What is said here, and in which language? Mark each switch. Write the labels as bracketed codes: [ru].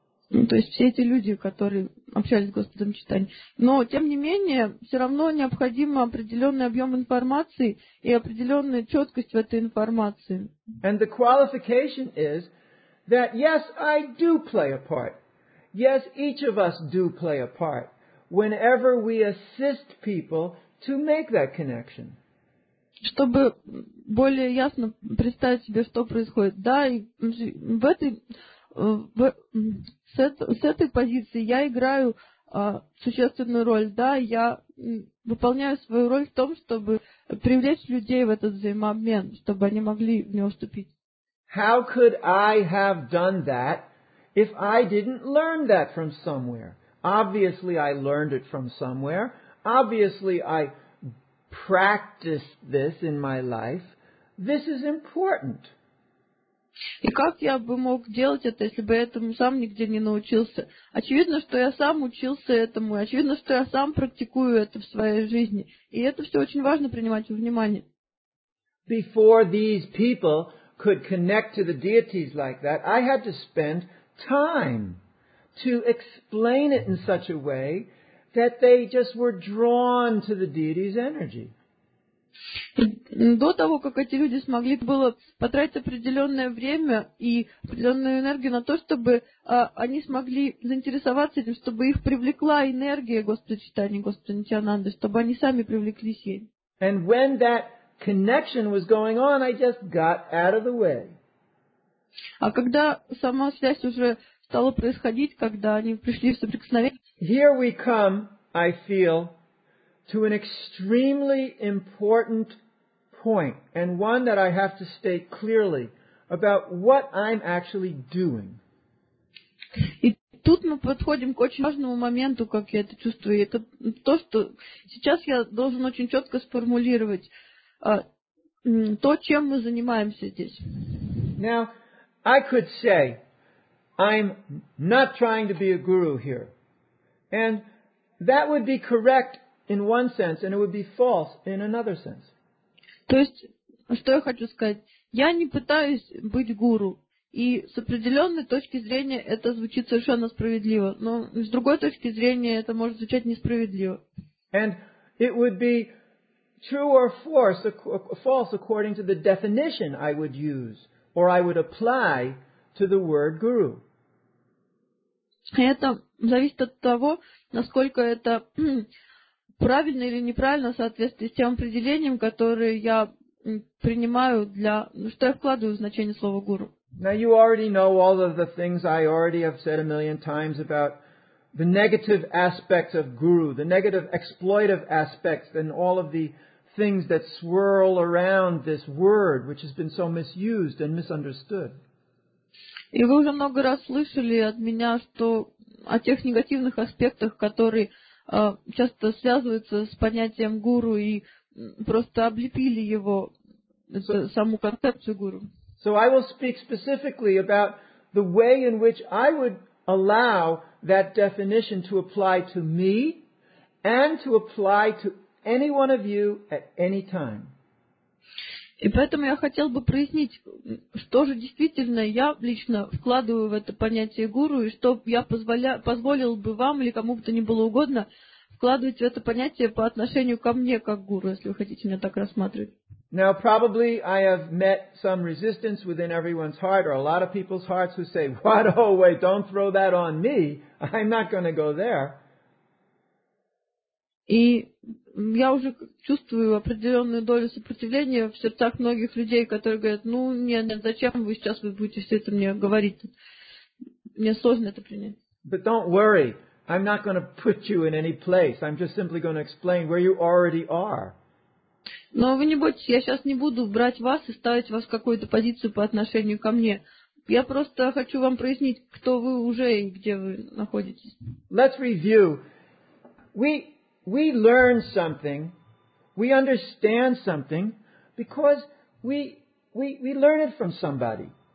[ru] Ну, то есть все эти люди, которые общались с Господом Читанием. Но, тем не менее, все равно необходим определенный объем информации и определенная четкость в этой информации. [en] And the qualification is that, yes, I do play a part. Yes, each of us do play a part whenever we assist people to make that connection. [ru] Чтобы более ясно представить себе, что происходит. Да, и в этой... С этой позиции я играю существенную роль, да, я выполняю свою роль в том, чтобы привлечь людей в этот взаимообмен, чтобы они могли в него вступить. [en] How could I have done that if I didn't learn that from somewhere? Obviously, I learned it from somewhere. Obviously, I practiced this in my life. This is important. [ru] И как я бы мог делать это, если бы этому сам нигде не научился? Очевидно, что я сам учился этому, очевидно, что я сам практикую это в своей жизни. И это все очень важно принимать во внимание. [en] Before these people could connect to the deities like that, I had to spend time to explain it in such a way that they just were drawn to the deity's energy. [ru] До того, как эти люди смогли было потратить определенное время и определенную энергию на то, чтобы они смогли заинтересоваться этим, чтобы их привлекла энергия Господа Читания, Господа Нитьянанды, чтобы они сами привлеклись ей. [en] And when that connection was going on, I just got out of the way. [ru] А когда сама связь уже стала происходить, когда они пришли в соприкосновение... [en] Here we come, I feel... to an extremely important point, and one that I have to state clearly about what I'm actually doing. [ru] И тут мы подходим к очень важному моменту, как я это чувствую. Это то, что сейчас я должен очень четко сформулировать то, чем мы занимаемся здесь. [en] Now, I could say, I'm not trying to be a guru here. And that would be correct in one sense, and it would be false in another sense. [ru] То есть, что я хочу сказать? Я не пытаюсь быть гуру. И с определенной точки зрения это звучит совершенно справедливо. Но с другой точки зрения это может звучать несправедливо. [en] And it would be true or false according to the definition I would use or I would apply to the word guru. [ru] Это зависит от того, насколько это... правильно или неправильно в соответствии с тем определением, которое я принимаю для... что я вкладываю в значение слова «гуру». [en] Now you already know all of the things I already have said a million times about the negative aspects of guru, the negative exploitive aspects and all of the things that swirl around this word, which has been so misused and misunderstood. [ru] И вы уже много раз слышали от меня, что о тех негативных аспектах, которые... часто связываются с понятием гуру и просто облепили его, саму концепцию гуру. [en] So I will speak specifically about the way in which I would allow that definition to apply to me and to apply to any one of you at any time. [ru] И поэтому я хотел бы прояснить, что же действительно я лично вкладываю в это понятие гуру, и что я позволил бы вам или кому бы то ни было угодно вкладывать в это понятие по отношению ко мне как гуру, если вы хотите меня так рассматривать. [en] Now, probably I have met some resistance within everyone's heart or a lot of people's hearts who say, what, oh, wait, don't throw that on me, I'm not going to go there. [ru] И я уже чувствую определенную долю сопротивления в сердцах многих людей, которые говорят, ну, нет, зачем вы сейчас вы будете все это мне говорить? Мне сложно это принять. [en] But don't worry, I'm not going to put you in any place. I'm just simply going to explain where you already are. [ru] Но вы не бойтесь, я сейчас не буду брать вас и ставить вас в какую-то позицию по отношению ко мне. Я просто хочу вам прояснить, кто вы уже и где вы находитесь. [en] Let's review. We learn something, we understand something, because we learn it from somebody.